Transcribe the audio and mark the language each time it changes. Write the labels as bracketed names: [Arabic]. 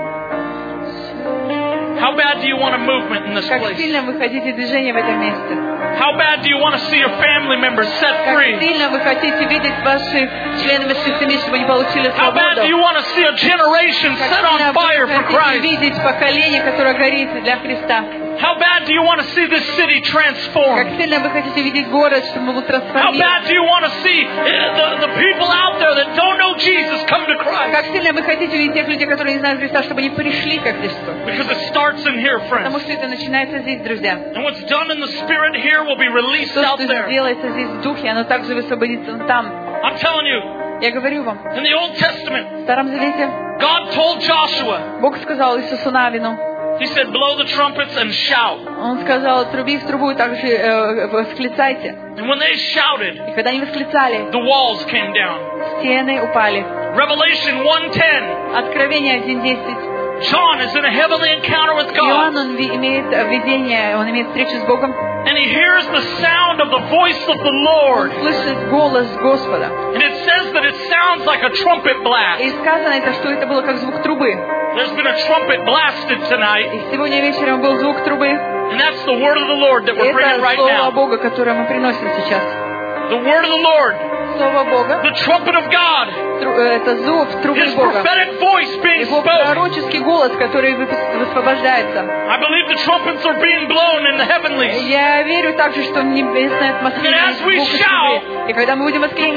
[English] How bad do you want a movement in this place? [Russian] Как сильно вы хотите движения в этом месте? [English] How bad do you want to see your family members set free? [Russian] Как сильно вы хотите видеть ваши члены вашей семьи, чтобы они получили свободу? [English] How bad do you want to see a generation set on fire for Christ? [Russian] Как сильно вы хотите видеть поколение, которое горит для Христа? [English] How bad do you want to see this city transformed? [Russian] Как сильно вы хотите видеть город, чтобы был трансформирован? [English] How bad do you want to see the people out there that don't know Jesus come to Christ? [Russian] Как сильно вы хотите видеть тех людей, которые не знают Христа, чтобы они пришли ко Христу? [English] Because it starts in here, friends. [Russian] Потому что это начинается здесь, друзья. [English] And what's done in the spirit here will be released out there. [Russian] То, что делается здесь в духе, оно также высвободится там. [English] I'm telling you. [Russian] Я говорю вам. [English] In the Old Testament. [Russian] В Старом Завете. [English] God told Joshua. [Russian] Бог сказал Иисусу Навину. [English] He said, "Blow the trumpets and shout." [Russian] Он сказал, труби в трубу, также восклицайте. [English] And when they shouted, [Russian] и когда они восклицали, [English] the walls came down. [Russian] Стены упали. [English] Revelation 1:10. [Russian] Откровение 1:10. [English] John is in a heavenly encounter with God. [Russian] Иоанн, он имеет видение, он имеет встречу с Богом. [English] And he hears the sound of the voice of the Lord. [Russian] Он слышит голос Господа. [English] And it says that it sounds like a trumpet blast. [Russian] И сказано это, что это было как звук трубы. [English] There's been a trumpet blasted tonight. [Russian] И сегодня вечером был звук трубы. [English] And that's the word of the Lord that we're bringing right now. [Russian] Это слово Бога, которое мы приносим сейчас. [English] The word of the Lord. [Russian] слово Бога. [English] The trumpet of God. [Russian] Это зов трубы [English] His [Russian] Бога. [English] Prophetic voice being spoken. [Russian] Его пророческий голос, который высвобождается. [English] I believe the trumpets are being blown in the heavenlies. [Russian] Я верю также, что небесная атмосфера будет. И когда мы будем восклицать,